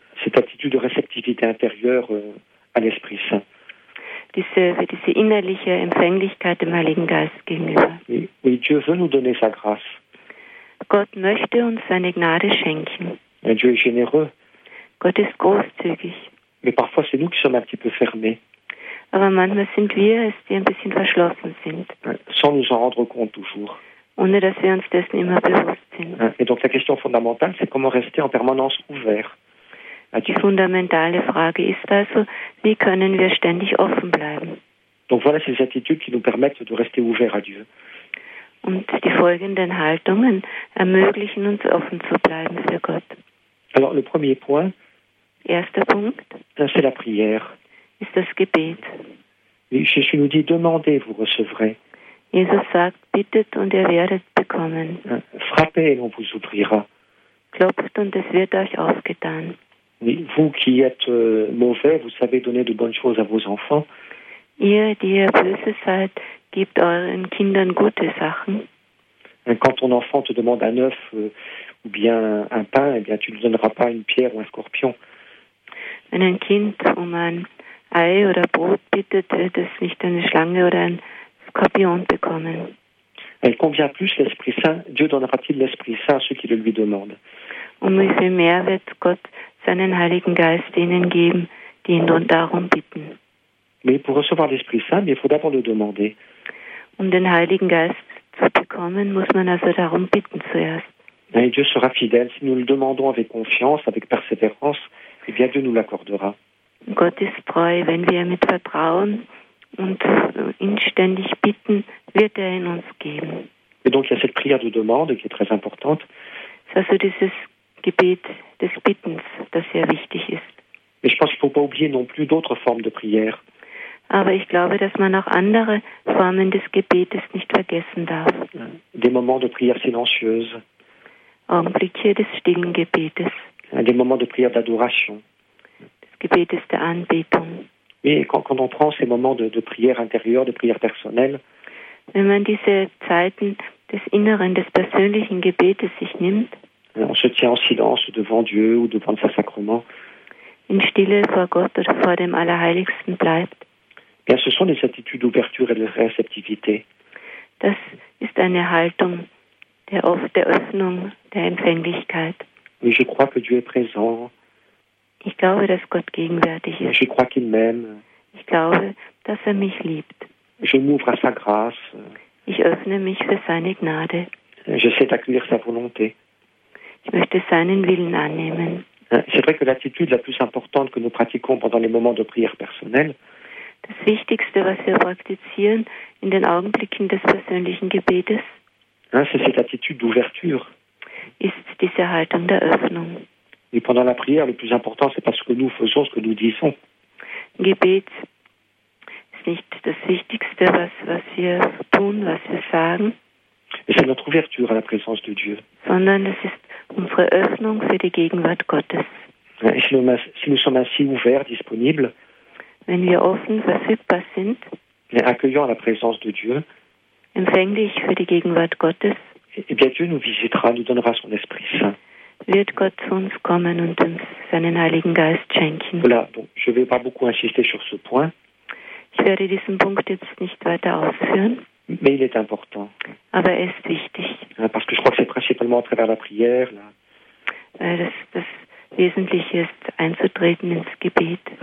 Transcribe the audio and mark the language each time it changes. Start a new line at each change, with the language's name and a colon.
French: Cette attitude de réceptivité intérieure à l'Esprit Saint.
German: Diese innerliche Empfänglichkeit dem Heiligen Geist gegenüber.
French: Oui, Dieu veut nous donner sa grâce.
German: Gott möchte uns seine Gnade schenken.
French: Et Dieu est généreux.
German: Gott ist großzügig.
French: Mais parfois c'est nous qui sommes un petit peu fermés.
German: Aber manchmal sind wir es, die ein bisschen verschlossen sind.
French: Sans nous en rendre compte toujours.
German: Ohne dass wir uns dessen immer bewusst sind.
French: Et donc la question fondamentale, c'est comment rester en permanence ouvert.
German: Die fundamentale Frage ist also, wie können wir ständig offen bleiben?
French: Donc voilà ces attitudes qui nous permettent de rester ouverts à Dieu.
German: Und die folgenden Haltungen ermöglichen uns, offen zu bleiben für Gott.
French: Alors le premier point.
German: Erster Punkt.
French: C'est la prière.
German: Ist das Gebet.
French: Jésus nous dit, demandez, vous recevrez.
German: Jesus sagt, bittet und ihr werdet bekommen.
French: Frappez et on vous ouvrira.
German: Klopft und es wird euch aufgetan.
French: Oui, vous qui êtes mauvais, vous savez donner de bonnes choses à vos enfants.
German: Ihr, die ihr böse seid, gebt euren Kindern gute Sachen.
French: Quand ton enfant te demande un œuf ou bien un pain, eh bien, tu ne lui donneras pas une pierre ou un scorpion.
German: Wenn ein Kind um ein Ei oder Brot bittet, wird es nicht eine Schlange oder ein Skorpion bekommen.
French: Et combien plus l'Esprit Saint, Dieu donnera-t-il l'Esprit Saint à ceux qui le lui demandent?
German: Um wie viel mehr wird Gott seinen Heiligen Geist ihnen geben, die ihn nun darum bitten.
French: Mais pour recevoir l'Esprit Saint, il faut d'abord le demander.
German: Um den Heiligen Geist zu bekommen, muss man also darum bitten zuerst.
French: Et Dieu sera fidèle si nous le demandons avec confiance, avec persévérance, et bien Dieu nous l'accordera.
German: Gott ist treu, wenn wir mit Vertrauen und inständig bitten, wird er in uns geben.
French: Et donc il y a cette prière de demande qui est très importante.
German: C'est also dieses Gebet des Bittens, das sehr wichtig ist.
French: Mais je pense qu'il ne faut pas oublier non plus d'autres formes de prière.
German: Aber ich glaube, dass man auch andere Formen des Gebetes nicht vergessen darf.
French: Des moments de prière silencieuse.
German: Augenblicke des stillen Gebetes.
French: Des moments de prière d'adoration.
German: Des Gebetes der Anbetung.
French: Oui, quand on prend ces moments de prière intérieure, de prière personnelle.
German: Wenn man diese Zeiten des inneren, des persönlichen Gebetes sich nimmt.
French: On se tient en silence devant Dieu ou devant le Saint-Sacrement.
German: In Stille vor Gott oder vor dem Allerheiligsten bleibt.
French: Bien, ce sont des attitudes d'ouverture et de réceptivité.
German: Das ist eine Haltung der Öffnung, der Empfänglichkeit.
French: Mais je crois que Dieu est présent.
German: Ich glaube, dass Gott gegenwärtig ist.
French: Je crois qu'il m'aime.
German: Ich glaube, dass er mich liebt.
French: Je m'ouvre à sa grâce.
German: Ich öffne mich für seine Gnade.
French: Je sais accueillir sa volonté.
German: Ich möchte seinen Willen annehmen.
French: C'est vrai que l'attitude la plus importante que nous pratiquons pendant les moments de prière personnelle.
German: Das Wichtigste, was wir praktizieren in den Augenblicken des persönlichen Gebetes.
French: C'est cette attitude d'ouverture.
German: Ist diese Haltung der Öffnung.
French: Et pendant la prière, le plus important, c'est pas ce que nous faisons, ce que nous disons.
German: Gebet ist nicht das Wichtigste, was wir tun, was wir sagen.
French: Et c'est notre ouverture à la présence de Dieu.
German: Sondern es ist unsere Öffnung für die Gegenwart Gottes.
French: Et si nous sommes ainsi ouverts, disponibles,
German: wenn wir offen, verfügbar sind,
French: accueillant la présence de Dieu,
German: empfänglich für die Gegenwart Gottes,
French: et bien Dieu nous visitera, nous donnera son Esprit Saint.
German: Wird Gott zu uns kommen und uns seinen Heiligen Geist schenken.
French: Voilà, donc je vais pas beaucoup insister sur ce point.
German: Ich werde diesen Punkt jetzt nicht weiter ausführen.
French: Mais il est important.
German: aber er ist wichtig.
French: Parce que je crois que c'est principalement à travers la prière, là.
German: Das Wesentliche ist einzutreten ins Gebet.